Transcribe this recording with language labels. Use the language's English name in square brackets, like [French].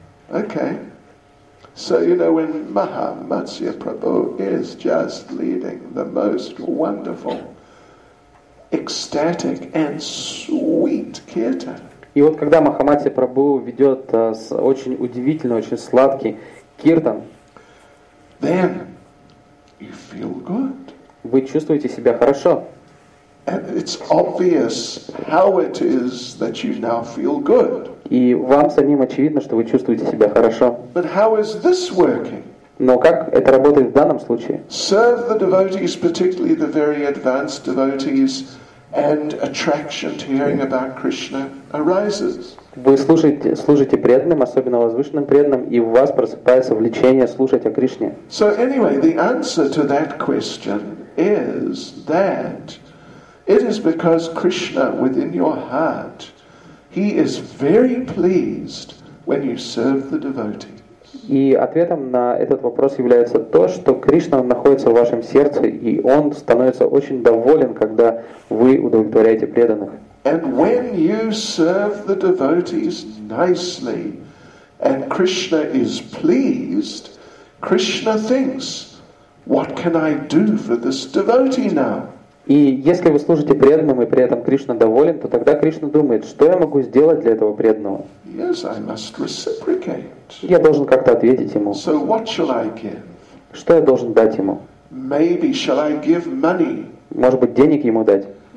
[English] Okay. So, you know, when Махамация Прабху is just leading the most wonderful ecstatic and sweet kirtan. [Russian] И вот когда Махамати Прабху ведет очень удивительный, очень сладкий киртан, [English] then you feel good. [Russian] Вы чувствуете себя хорошо. [English] And it's obvious how it is that you now feel good. [Russian] И вам самим очевидно, что вы чувствуете себя хорошо. [English] But how is this working? [Russian] Но как это работает в данном случае? [English] Serve the devotees, particularly the very advanced devotees, and attraction to hearing about Krishna arises. [Russian] Вы служите преданным, особенно возвышенным преданным, и у вас просыпается влечение слушать о Кришне. [English] So anyway, the answer to that question is that it is because Krishna within your heart, he is very pleased when you serve the devotees. [Russian] И ответом на этот вопрос является то, что Кришна находится в вашем сердце, и Он становится очень доволен, когда вы удовлетворяете преданных. [English] And when you serve the devotees nicely, and Krishna is pleased, Krishna thinks, what can I do for this devotee now? [Russian] И если вы служите преданным, и при этом Кришна доволен, то тогда Кришна думает, что я могу сделать для этого преданного? [English] Yes, I must reciprocate. [Russian] Я должен как-то ответить ему. [English] So what shall I give? [Russian] Что я должен дать ему? [English] Maybe shall I give money? [Russian] Может быть, денег ему дать?